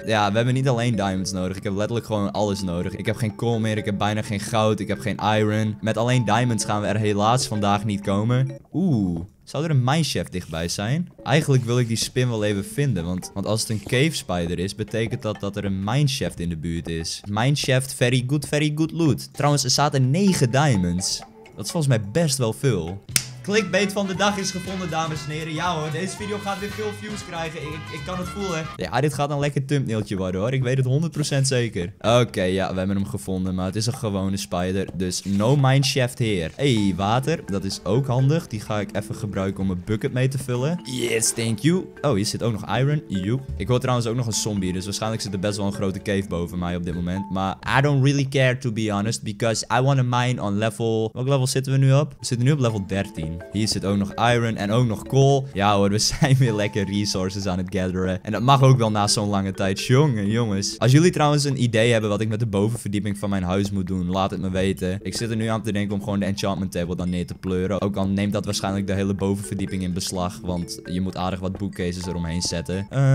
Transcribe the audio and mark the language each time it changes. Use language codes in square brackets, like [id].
[nl] Ja, we hebben niet alleen diamonds nodig. Ik heb letterlijk gewoon alles nodig. Ik heb geen kool meer. Ik heb bijna geen goud. Ik heb geen iron. Met alleen diamonds gaan we er helaas vandaag niet komen. Oeh. Zou er een mineshaft dichtbij zijn? Eigenlijk wil ik die spin wel even vinden. Want als het een cave spider is, betekent dat dat er een mineshaft in de buurt is. [en] Mineshaft, very good loot. [nl] Trouwens, er zaten 9 diamonds. Dat is volgens mij best wel veel. Clickbait van de dag is gevonden, dames en heren. Ja hoor, deze video gaat weer veel views krijgen. Ik kan het voelen. Ja, dit gaat een lekker thumbnailtje worden hoor. Ik weet het 100% zeker. Oké, ja, we hebben hem gevonden. Maar het is een gewone spider. Dus no mineshaft hier. Hey, water. Dat is ook handig. Die ga ik even gebruiken om een bucket mee te vullen. [en] Yes, thank you. [nl] Oh, hier zit ook nog iron. You. Ik hoor trouwens ook nog een zombie. Dus waarschijnlijk zit er best wel een grote cave boven mij op dit moment. [en] Maar I don't really care to be honest. Because I want to mine on level... [nl] Welk level zitten we nu op? We zitten nu op level 13. Hier zit ook nog iron en ook nog coal. Ja hoor, we zijn weer lekker resources aan het gatheren. En dat mag ook wel na zo'n lange tijd. Jongen, jongens. Als jullie trouwens een idee hebben wat ik met de bovenverdieping van mijn huis moet doen, laat het me weten. Ik zit er nu aan te denken om gewoon de enchantment table dan neer te pleuren. Ook al neemt dat waarschijnlijk de hele bovenverdieping in beslag, want je moet aardig wat bookcases eromheen zetten.